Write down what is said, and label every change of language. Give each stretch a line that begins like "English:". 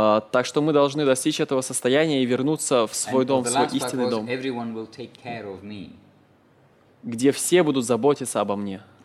Russian: Так что мы должны достичь этого состояния и вернуться в свой
English: and
Russian: дом, в свой истинный дом.
English: Everyone will take care of me.
Russian: Где все будут заботиться обо мне.